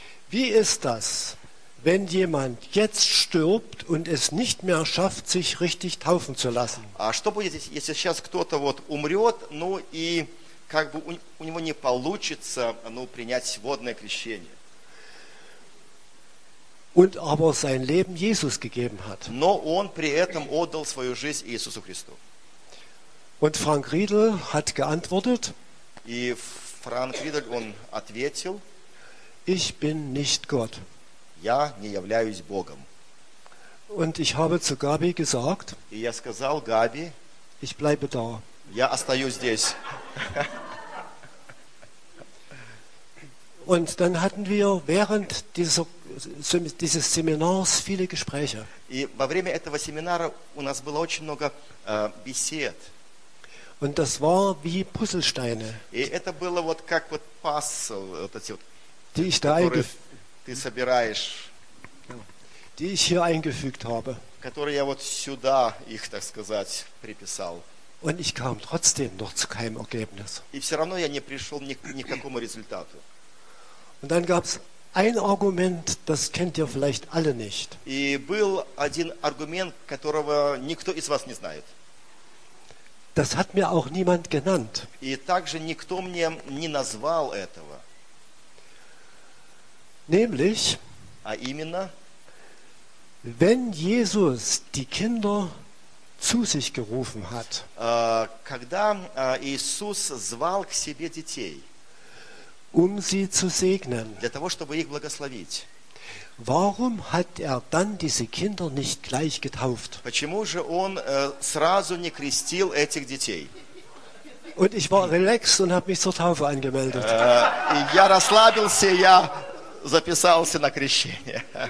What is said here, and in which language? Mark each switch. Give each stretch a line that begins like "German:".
German: wie ist das, wenn jemand jetzt stirbt und es nicht mehr schafft, sich richtig taufen zu lassen?
Russian: А что будет, если сейчас кто-то вот умрет, ну и как бы у него не получится, ну, принять водное крещение?
German: und aber sein Leben Jesus gegeben hat.
Russian: Но он при этом отдал свою жизнь Иисусу Христу.
German: Und Frank Riedel hat geantwortet.
Russian: И Франк Ридель он ответил.
German: Ich bin nicht Gott.
Russian: Я не являюсь Богом.
German: Und ich habe zu Gabi gesagt.
Russian: И я сказал Габи.
German: Ich bleibe da.
Russian: Я остаюсь здесь.
German: Und dann hatten wir während dieses Seminars viele Gespräche.
Russian: И во время этого семинара у нас было очень много бесед.
German: Und das war wie Puzzlesteine.
Russian: И это было вот как вот пазл, вот эти вот,
German: die ich da
Russian: ты собираешь,
German: die ich hier eingefügt habe.
Russian: Которые я вот сюда их, так сказать, приписал.
German: Und ich kam trotzdem noch zu keinem Ergebnis.
Russian: И все равно я не пришел ни к какому результату.
German: Und dann gab es ein Argument, das kennt ihr vielleicht alle nicht.
Russian: И был один аргумент, которого никто из вас не знает.
German: Das hat mir auch niemand genannt.
Russian: И также никто мне не назвал этого.
German: Nämlich,
Russian: а именно,
German: wenn Jesus die Kinder zu sich gerufen hat,
Russian: когда Иисус звал к себе детей,
German: um sie zu segnen.
Russian: Для того, чтобы их благословить.
German: Warum hat dann diese Kinder nicht gleich getauft?
Russian: Почему же он сразу не крестил этих детей?
German: Und ich war relaxed und habe mich zur Taufe angemeldet.
Russian: Я расслабился, я записался на крещение.